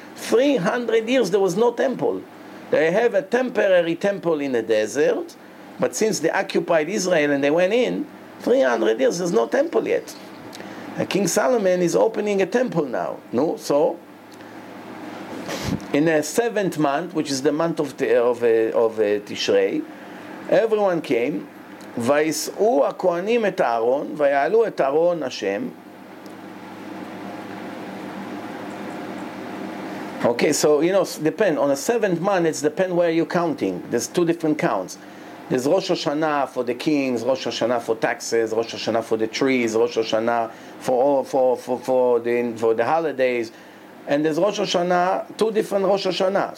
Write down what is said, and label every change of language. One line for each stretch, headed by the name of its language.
English: 300 years there was no temple. They have a temporary temple in the desert, but since they occupied Israel and they went in, 300 years there's no temple yet. And King Solomon is opening a temple now. No, so in the seventh month, which is the month of Tishrei, everyone came.
Hebrew: ויסעו הכהנים את אהרון ויעלו את אהרון השם.
English: Okay, so you know, depend on the seventh month, it's depend where you're counting. There's two different counts. There's Rosh Hashanah for the kings, Rosh Hashanah for taxes, Rosh Hashanah for the trees, Rosh Hashanah for the holidays, and there's Rosh Hashanah, two different Rosh Hashanah.